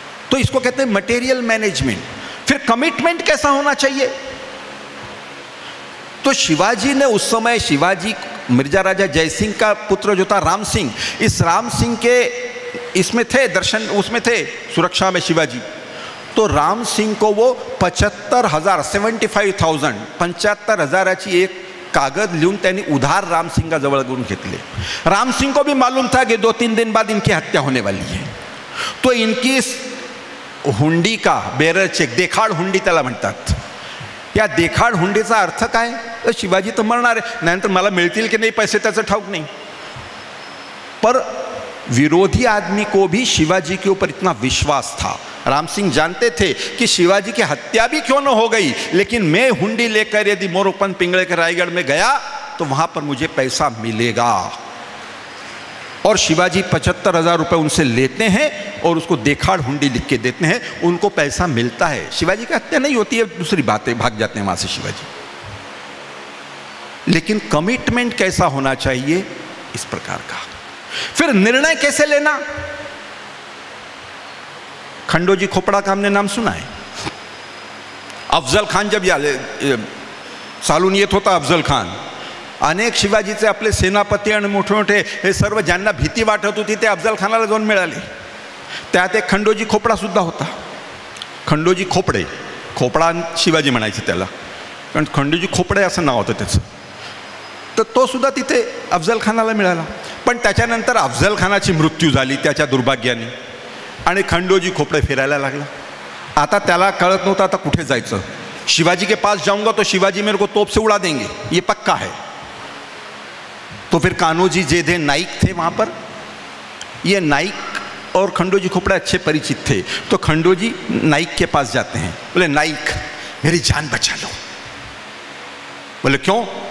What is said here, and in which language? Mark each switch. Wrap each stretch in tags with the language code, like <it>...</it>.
<hi>तो इसको कहते हैं मटेरियल मैनेजमेंट. फिर कमिटमेंट कैसा होना चाहिए, तो शिवाजी ने उस समय शिवाजी मिर्जा राजा जय सिंह का पुत्र जो था राम सिंह, इस राम सिंह के इसमें थे दर्शन, उसमें थे सुरक्षा में शिवाजी, तो राम सिंह को वो</hi> <mr>75,000 ची एक कागज लिहून त्यांनी उधार राम सिंह का जवळ करून घेतले.</mr> <hi>राम सिंह को भी मालूम था कि 2-3 दिन बाद इनकी हत्या होने वाली है, तो इनकी इस हुंडी का बेरर चेक,</hi> <mr>देखाड़ हुंडी त्याला म्हणतात, या देखाड़ हुंडीचा अर्थ काय, शिवाजी तो मरणार आहे नाहीतर मला मिळतील की नाही पैसे त्याचं ठाऊक नाही.</mr> <hi>पर विरोधी आदमी को भी शिवाजी के ऊपर इतना विश्वास था, राम सिंह जानते थे कि शिवाजी की हत्या भी क्यों ना हो गई लेकिन मैं हुंडी लेकर यदि मोरोपन पिंगले के रायगढ़ में गया तो वहां पर मुझे पैसा मिलेगा. और शिवाजी 75,000 रुपए उनसे लेते हैं और उसको देखाड़ हुंडी लिख के देते हैं, उनको पैसा मिलता है। शिवाजी की हत्या नहीं होती है, दूसरी बातें, भाग जाते हैं वहां से शिवाजी। लेकिन कमिटमेंट कैसा होना चाहिए इस प्रकार का, फिर निर्णय कैसे लेना। खंडोजी खोपड़ा का हमने नाम सुना है, अफजल खान</hi> <mr>जब सालून ये होता अफजल खान, अनेक शिवाजीचे आपले सेनापती आणि मोठे मोठे हे सर्व ज्यांना भीती वाटत होती ते अफजल खानाला जाऊन मिळाले, त्यात एक खंडोजी खोपड़ा सुद्धा होता। खंडोजी खोपड़े, खोपड़ा शिवाजी म्हणायचे त्याला, कारण खंडोजी खोपड़े असं नाव होतं त्याचं, तर तो सुद्धा तिथे अफजल खानाला मिळाला। पण त्याच्यानंतर अफजल खानाची मृत्यू झाली त्याच्या दुर्भाग्याने, आणि खंडोजी खोपड़े फिरायला लागला। आता त्याला कळत नव्हतं आता कुठे जायचं,</mr> <hi>शिवाजी के पास जाऊंगा तो शिवाजी मेरे को तोप से उड़ा देंगे ये पक्का है। तो फिर कान्होजी जेधे नाइक थे वहां पर, ये नाइक और खंडोजी खोपड़े अच्छे परिचित थे, तो खंडोजी नाइक के पास जाते हैं, बोले नाइक मेरी जान बचा लो। बोले क्यों?</hi>